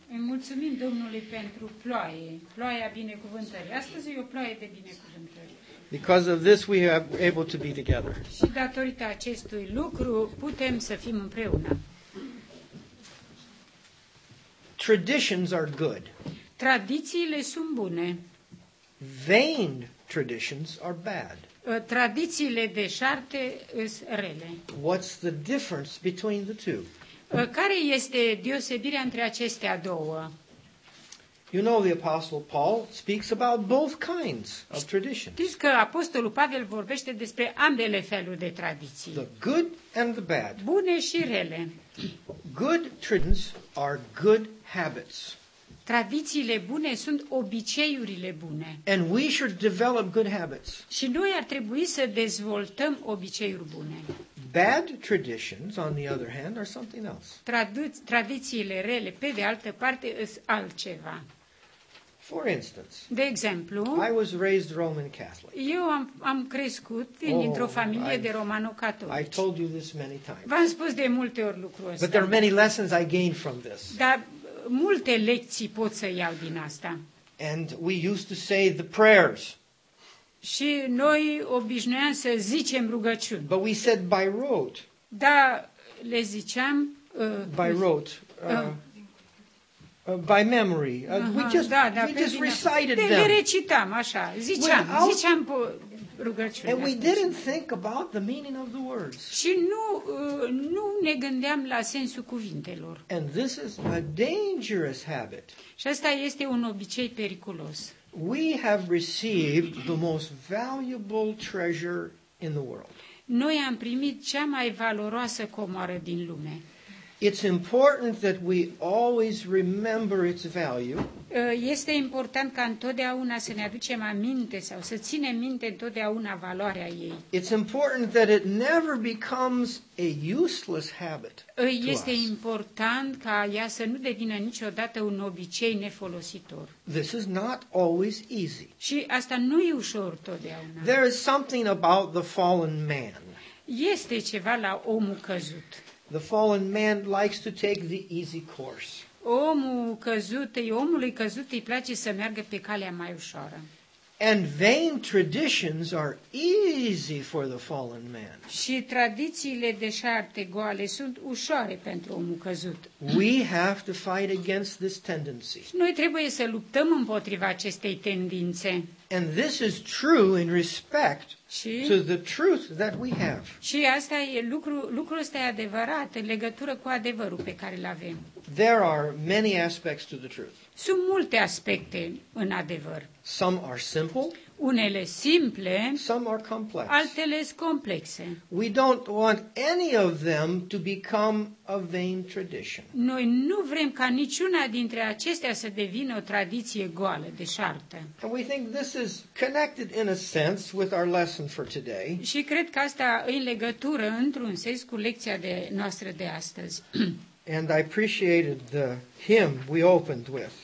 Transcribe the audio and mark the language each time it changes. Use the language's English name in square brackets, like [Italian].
[Romanian] Îi mulțumim Domnului pentru ploaie, ploaia binecuvântării. Astăzi e o ploaie de binecuvântări. [English] Because of this we are able to be together. [Romanian] Și datorită acestui lucru putem să fim împreună. [English] Traditions are good. [Romanian] Tradițiile sunt bune. [English] Vain traditions are bad. [Romanian] Tradițiile deșarte sunt rele. [English] What's the difference between the two? [Romanian] Care este deosebirea între acestea două? [English] You know the apostle Paul speaks about both kinds of traditions. [Romanian] Știți că apostolul Pavel vorbește despre ambele feluri de tradiții. [English] The good and the bad. [Romanian] Bune și rele. [English] Good traditions are good habits. [Romanian] Tradițiile bune sunt obiceiurile bune. [English] And we should develop good habits. [Romanian] Și noi ar trebui să dezvoltăm obiceiuri bune. [English] Bad traditions, on the other hand, are something else. [Romanian] Tradițiile rele, pe de altă parte, sunt altceva. [English] For instance, [Romanian] de exemplu, [English] I was raised Roman Catholic. [Romanian] Eu am crescut într-o familie de romano-catolici. [English] I told you this many times. [Romanian] V-am spus de multe ori lucrul ăsta. [English] But there are many lessons I gained from this. [Romanian] Dar multe lecții pot să iau din asta. [English] And we used to say the prayers. [Romanian] Și noi obișnuiam să zicem rugăciuni. [English] But we said by rote. [Romanian] Da, le ziceam [English] by rote. By memory. We just recited them. [Romanian] Le recitam așa. Ziceam rugăciuni. [English] And we didn't think about the meaning of the words. [Romanian] Și nu ne gândeam la sensul cuvintelor. [English] And this is a dangerous habit. [Romanian] Și asta este un obicei periculos. [English] We have received the most valuable treasure in the world. [Romanian] Noi am primit cea mai valoroasă comoară din lume. [English] It's important that we always remember its value. [Romanian] Este important ca întotdeauna să ne aducem aminte sau să ținem minte întotdeauna valoarea ei. [English] It's important that it never becomes a useless habit. [Romanian] Este important ca ea să nu devină niciodată un obicei nefolositor. [English] This is not always easy. [Romanian] Și asta nu e ușor totdeauna. [English] There is something about the fallen man. [Romanian] Este ceva la omul căzut. [English] The fallen man likes to take the easy course. [Romanian] Omul căzut, omului căzut îi place să meargă pe calea mai ușoară. [English] And vain traditions are easy for the fallen man. [Romanian] Și tradițiile deșarte goale sunt ușoare pentru omul căzut. [English] We have to fight against this tendency. [Romanian] Noi trebuie să luptăm împotriva acestei tendințe. [English] And this is true in respect to the truth that we have. [Romanian] Și asta e lucru ăsta e adevărat în legătură cu adevărul pe care îl avem. [English] There are many aspects to the truth. [Romanian] Sunt multe aspecte în adevăr. [English] Some are simple. [Romanian] Unele simple. [English] Some are complex. [Romanian] Altele sunt complexe. [English] We don't want any of them to become a vain tradition. [Romanian] Noi nu vrem ca niciuna dintre acestea să devină o tradiție goală, deșartă. [English] And we think this is connected in a sense with our lesson for today. [Romanian] Și cred că asta e în legătură într-un sens cu lecția de noastră de astăzi. [English] And I appreciated the hymn we opened with.